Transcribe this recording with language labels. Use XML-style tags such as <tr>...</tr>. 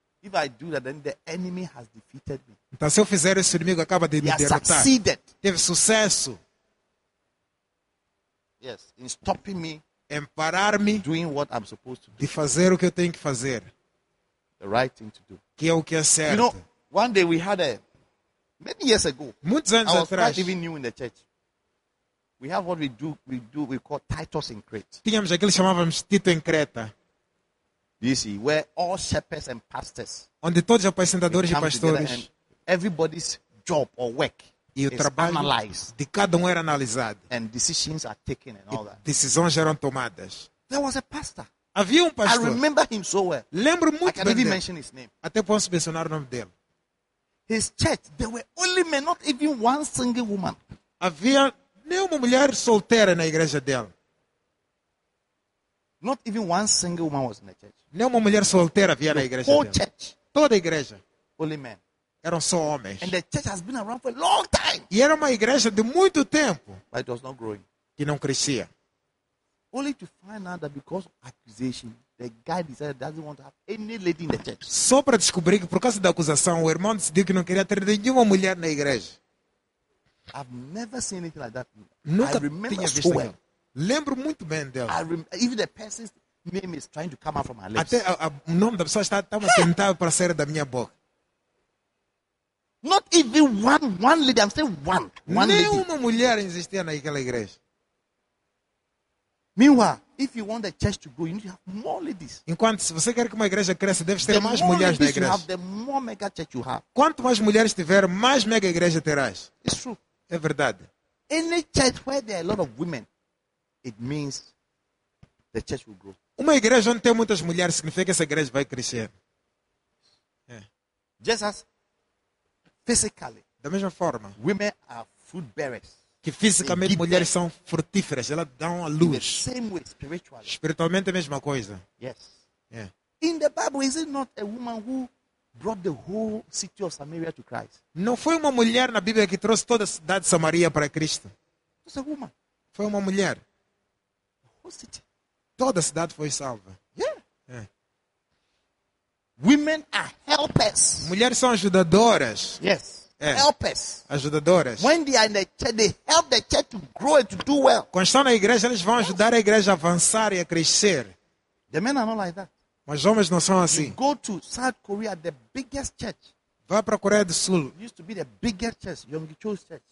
<en>If I do that, then the enemy has defeated me.</en> <pt>Então se eu fizer isso, o inimigo acaba de me derrotar.</pt> <en>He succeeded.</en> <pt>Teve sucesso.</pt> <en>Yes, in stopping me,</en> <pt>em parar me,</pt> <en>doing what I'm supposed to do,</en> <pt>de fazer o que eu tenho que fazer,</pt> <en>the right thing to do,</en> <pt>que é o que é certo.</pt> <en>You know, one day we had a many years ago,</en> <pt>muitos anos</pt> <en>I was</en> <pt>atrás,</pt> <en>quite even new in the church. We have what we call Titus in Crete.</en> <pt>Tínhamos aquele que chamávamos Tito em Creta.</pt> <en>You see, where all shepherds and pastors,</en> <pt>onde todos os apacentadores e pastores,</pt> <en>everybody's job or work.</en> <pt>E o trabalho</pt> <en>analyzed.</en> <pt>De cada um era analisado.</pt> <en>And decisions are taken and all that.</en> <pt>E decisões eram tomadas.</pt> <en>There was a pastor.</en> <pt>Havia um pastor.</pt> <en>I remember him so well.</en> <pt>Lembro muito</pt> <en>I can't</en> <pt>bem</pt> <en>mention</en> <pt>dele.</pt> <en>His name.</en> <pt>Até posso mencionar o nome dele.</pt> <en>His church, there were only men, not even one single woman.</en> <pt>Havia nenhuma mulher solteira na igreja dele.</pt> <en>Not even one single woman was in the church.</en> <pt>Nenhuma mulher solteira vinha na igreja.</pt> <en>Whole church.</en> <pt>Toda a igreja.</pt> <en>Only men.</en> <pt>Eram só homens.</pt> <en>And the church has been around for a long time.</en> <pt>E era uma igreja de muito tempo.</pt> <en>But it was not growing.</en> <pt>Que não crescia.</pt> <en>Only to find out that because of accusation, the guy decided he doesn't want to have any lady in the church.</en> <pt>Só para descobrir que por causa da acusação, o irmão decidiu que não queria ter nenhuma mulher na igreja.</pt> <en>I've never seen anything like that.</en> <pt>Nunca</pt> <en>I remember</en> <pt>tinha visto</pt> <en>well.</en> <pt>Lembro muito bem dela.</pt> <en>Even the person's name is trying to come out from my lips.</en> <pt>Até o nome da pessoa estava tentando para sair da minha boca.</pt> <en>Not even one lady, I'm saying one</en> <pt>Nenhuma</pt> <en>lady.</en> <pt>Nenhuma mulher existia naquela igreja.</pt> <en>Meanwhile, if you want the church to grow, you need to have more ladies.</en> <pt>Enquanto se você quer que uma igreja cresça, deve ter</pt> <en>the</en> <pt>mais mulheres na igreja.</pt> <en>Have, the more mega church you have.</en> <pt>Quanto mais mulheres tiver, mais mega igreja terás.</pt> <en>It's true.</en> <pt>É verdade.</pt> <en>Any church where there are a lot of women, it means the church will grow.</en> <pt>Uma igreja onde tem muitas mulheres significa que essa igreja vai crescer. É.</pt> <en>Just as physically.</en> <pt>Da mesma forma.</pt> <en>Women are fruit bearers.</en> <pt>Que fisicamente mulheres são frutíferas, elas dão a luz. Espiritualmente é a mesma coisa.</pt> <en>Yes. Yeah. In the Bible, is it not a woman who brought the whole city of Samaria to Christ?</en> <pt>Não foi uma mulher na Bíblia que trouxe toda a cidade de Samaria para Cristo?</pt> <en>It was a woman.</en> <pt>Foi uma mulher.</pt> <en>The whole city.</en> <pt>Toda a cidade foi salva.</pt> <en>Yeah. Women are helpers.</en> <pt>Mulheres são ajudadoras.</pt> <en>Yes.</en> <pt>É.</pt> <en>Helpers.</en> <pt>Ajudadoras.</pt> <en>When they are in the church, they help the church to grow and to do well.</en> <pt>Quando estão na igreja, eles vão ajudar a igreja a avançar e a crescer.</pt> <en>The men are not like that.</en> <pt>Mas os homens não são assim.</pt> <en>You go to South Korea, the biggest church.</en> <pt>Vá para a Coreia do Sul.</pt> <en>It used to be the biggest church, Yongicho's church.</en>